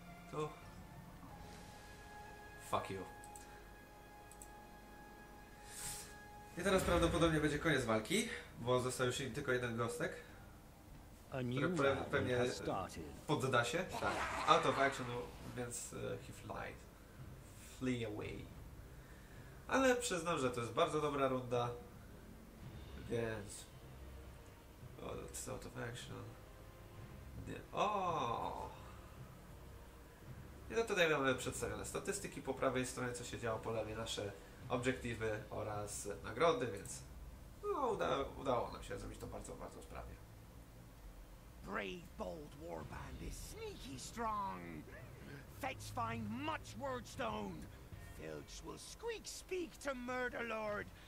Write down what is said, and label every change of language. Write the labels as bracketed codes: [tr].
[pl] Tu. [en] Fuck you. [pl] I teraz prawdopodobnie będzie koniec walki, bo został już tylko jeden gostek. Który pewnie podda się. Tak. [en] Out of action, [pl] więc [en] he flies. Flee away. [pl] Ale przyznam, że to jest bardzo dobra runda. Więc. [en] It's out of action. O! [pl] I no tutaj mamy przedstawione statystyki po prawej stronie, co się działo po lewej, nasze obiektywy oraz nagrody, więc no, udało nam się zrobić to bardzo, bardzo sprawnie. [en] Brave, bold warband is sneaky strong. Fetch find much wordstone. Filch will squeak speak to murder lord.